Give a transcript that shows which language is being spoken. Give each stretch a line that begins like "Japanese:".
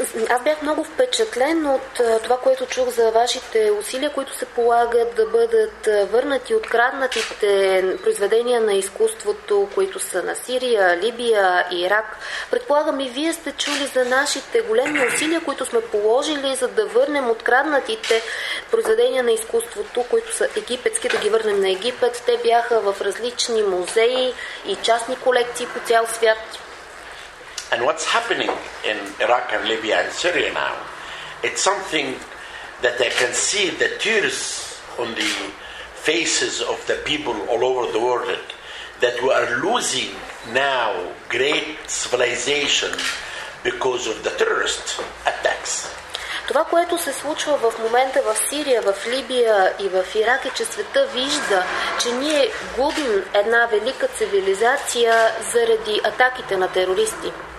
Bulgarian: Аз бях много впечатлен от това, което чух за вашите усилия, които се полагат да бъдат върнати откраднатите произведения на изкуството, които са на Сирия, Либия и Ирак. Предполагам и вие сте чули за нашите големи усилия, които сме положили, за да върнем откраднатите произведения на изкуството, които са египетски, да ги върнем на Египет. Те бяха в различни музеи и частни колекции по цял свят.
English: And what's happening in Iraq and Libya and Syria now, it's something that I can see the tears on the faces of the people all over the world, that we are losing now great civilization because of the terrorist attacks.
Bulgarian: Това, което се случва в момента в Сирия, в Либия и в Ирак, е, че света вижда, че ние губим една велика цивилизация заради атаките на терористи.